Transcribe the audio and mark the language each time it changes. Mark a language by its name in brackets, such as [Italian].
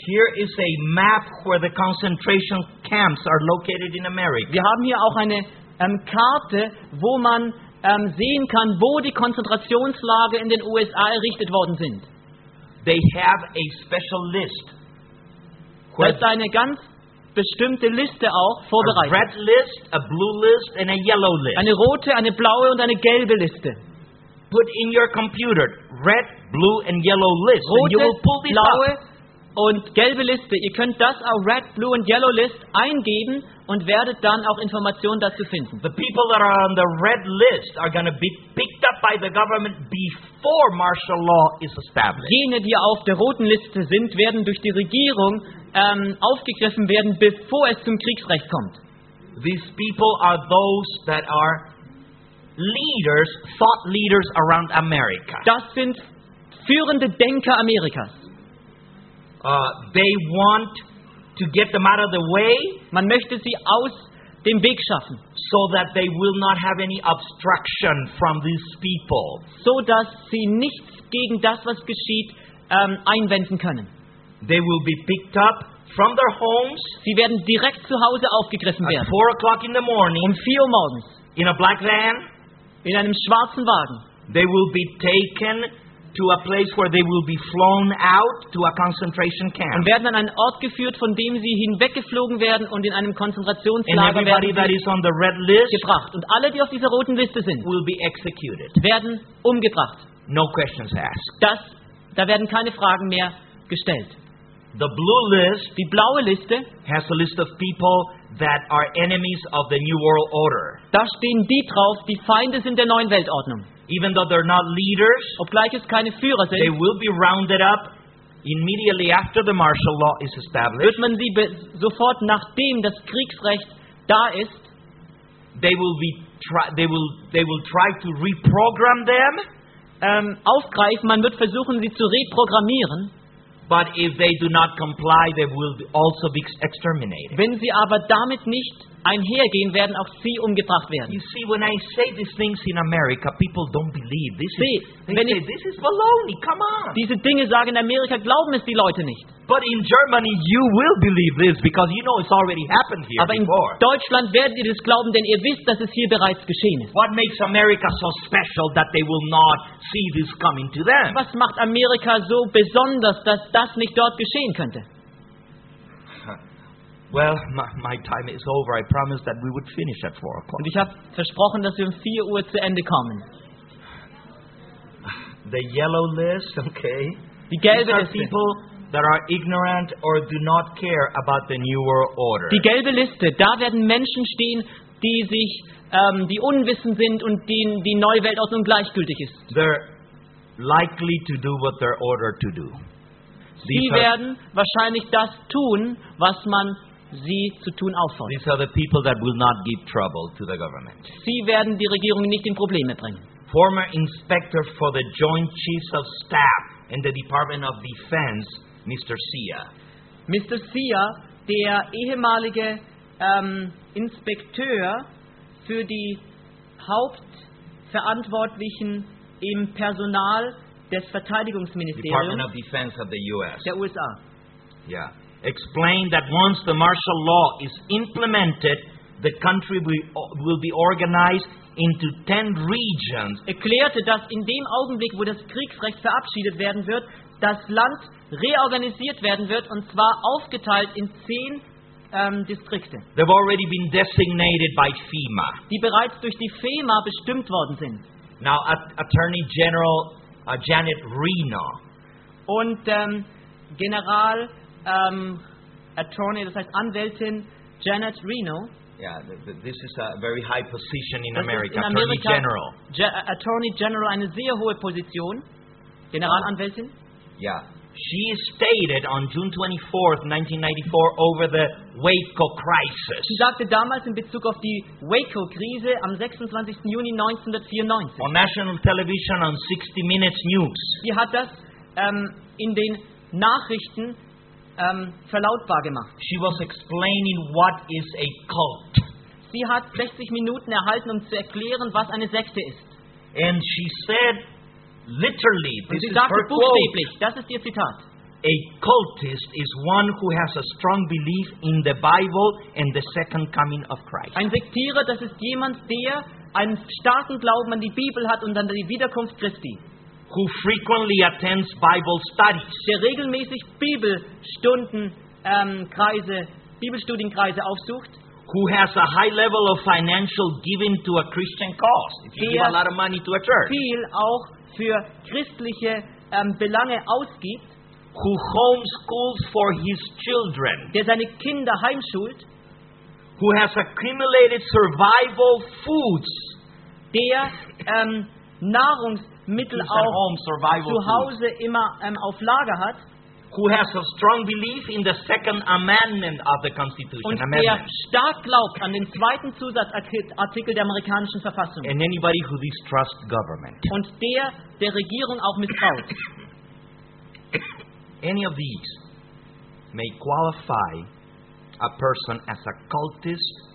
[English] Here is a map where the concentration camps are located in America. [German] Wir haben hier auch eine Karte, wo man sehen kann, wo die Konzentrationslager in den USA errichtet worden sind. [English] They have a special list. [German] Das ist eine ganz bestimmte Liste auch vorbereitet. [English] A red list, a blue list and a yellow list. [German] Eine rote, eine blaue und eine gelbe Liste. [English] Put in your computer red, blue and yellow list. [German] Rote, [English] and you will pull these [German] blaue [English] up. [German] Und gelbe Liste. Ihr könnt das auch [English] red, blue and yellow list [German] eingeben und werdet dann auch Informationen dazu finden. [English] The people that are on the red list are going to be picked up by the government before martial law is established. [German] Jene, die auf der roten Liste sind, werden durch die Regierung aufgegriffen werden, bevor es zum Kriegsrecht kommt. [English] These people are those that are leaders, thought leaders around America. [German] Das sind führende Denker Amerikas. [English] They want to get them out of the way. [German] Man möchte sie aus dem Weg schaffen, [English] so that they will not have any obstruction from these people. [German] So dass sie nichts gegen das, was geschieht, einwenden können. [English] They will be picked up from their homes. [German] Sie werden direkt zu Hause aufgegriffen werden. [English] At 4 o'clock in the morning. [German] Um 4 Uhr morgens. [English] In a black van. [German] In einem schwarzen Wagen. [English] They will be taken to a place where they will be flown out to a concentration camp. [German] Und werden an einen Ort geführt, von dem sie hinweggeflogen werden und in einem Konzentrationslager werden. [English] And everybody that is on the red list [German] gebracht. Und alle, die auf dieser roten Liste sind, [English] will be executed. [German] Werden umgebracht. [English] No questions asked. [German] Da werden keine Fragen mehr gestellt. [English] The blue list, [German] die blaue Liste, [English] has a list of people that are enemies of the New World Order. [German] Da stehen die drauf, die Feinde sind der neuen Weltordnung. [English] Even though they're not leaders, [German] obgleich es keine Führer sind, [English] they will be rounded up immediately after the martial law is established. [German] Wird man sie sofort nachdem das Kriegsrecht da ist, [English] they will try to reprogram them. [German] Aufgreifen, man wird versuchen, sie zu reprogrammieren. [English] But if they do not comply, they will also be exterminated. [German] Wenn sie aber damit nicht einhergehen, werden auch sie umgebracht werden. [English] You see, when I say these things in America, people don't believe. This is baloney. Come on. [German] Diese Dinge sagen in Amerika, glauben es die Leute nicht. [English] But in Germany, you will believe this because you know it's already happened here before. [German] in Deutschland werdet ihr das glauben, denn ihr wisst, dass es hier bereits geschehen ist. [English] What makes America so special that they will not see this coming to them? [German] Was macht Amerika so besonders, dass das nicht dort geschehen könnte? [English] Well, my time is over. I promised that we would finish at 4:00. [German] Und ich habe versprochen, dass wir um 4 Uhr zu Ende kommen. [English] The yellow list, okay. [German] Die gelbe Liste. [English] People that are ignorant or do not care about the new world order. [German] Die gelbe Liste, da werden Menschen stehen, die sich die unwissend sind und denen die neue Weltordnung gleichgültig ist. [English] They're likely to do what they're ordered to do. [German] Sie werden wahrscheinlich das tun, was man sie zu tun auffordert. [English] These are the people that will not give trouble to the government. [German] Sie werden die Regierung nicht in Probleme bringen. [English] Former inspector for the Joint Chiefs of Staff in the Department of Defense, Mr. Sia. Mr. [German] Sia, der ehemalige Inspekteur für die Hauptverantwortlichen im Personal des Verteidigungsministeriums [English] Department of Defense of the US. [German] Der USA. [English] Yeah. Explained that once the martial law is implemented, the country will be organized into 10 regions. [German] Erklärte, dass in dem Augenblick, wo das Kriegsrecht verabschiedet werden wird, das Land reorganisiert werden wird, und zwar aufgeteilt in 10 Distrikte. [English] They've already been designated by FEMA. [German] Die bereits durch die FEMA bestimmt worden sind. [English] Now, Attorney General Janet Reno. [German] Und General Attorney, das heißt Anwältin Janet Reno. [English] Yeah, this is a very high position in America. [German] In Amerika, [English] Attorney General. [German] Attorney General, eine sehr hohe Position. Generalanwältin. [English] Yeah. She stated on June 24th, 1994, over the Waco crisis. [German] Sie sagte damals in Bezug auf die Waco-Krise am 26. Juni 1994. [English] On national television on 60 Minutes News. [German] Sie hat das in den Nachrichten verlautbar gemacht. [English] She was explaining what is a cult. [German] Sie hat 60 Minuten erhalten, um zu erklären, was eine Sekte ist. [English] And she said, literally, this [German] sie sagte [English] is [German] buchstäblich, [English] quote, [German] das ist ihr Zitat. [English] A cultist is one who has a strong belief in the Bible and the second coming of Christ. [German] Ein Sektierer, das ist jemand, der einen starken Glauben an die Bibel hat und an die Wiederkunft Christi. [English] Who frequently attends Bible studies. [German] Der regelmäßig Bibelstunden, Kreise, Bibelstudienkreise aufsucht. [English] Who has a high level of financial giving to a Christian cause. If you give a lot of money to a church. [German] Viel auch für christliche Belange ausgibt. [English] Who homeschools for his children. [German] Der seine Kinder heimschult. [English] Who has accumulated survival foods. [German] Der Nahrungsmittel auch zu Hause immer auf Lager hat. [English] Who has a strong belief in the second amendment of the Constitution. [German] Und der stark glaubt an den zweiten Zusatzartikel der amerikanischen Verfassung. [English] And anybody who distrusts government. [German] Und der der Regierung auch misstraut. [English] Any of these may qualify a person as a cultist.